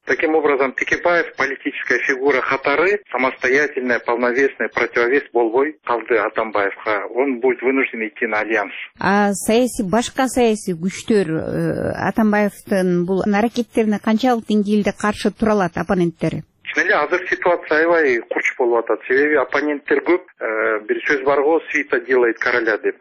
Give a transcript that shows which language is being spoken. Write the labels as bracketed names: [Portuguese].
[Russian] Таким образом, Текебаев политическая фигура [Kyrgyz] катары [Russian] самостоятельная, полновесная противовес [Kyrgyz] болбой калды Атамбаевга. [Russian] Он будет вынужден идти на альянс. [Kyrgyz] А саясий, башка саясий күчтөр Атамбаевдин бул аракеттерине канчалык деңгээлде каршы тура алат оппоненттери? Эле азыр ситуация аябай курч болуп атат. Себеби оппоненттер көп. Бир сөз бар го, [Russian] свита делает короля [Kyrgyz] деп.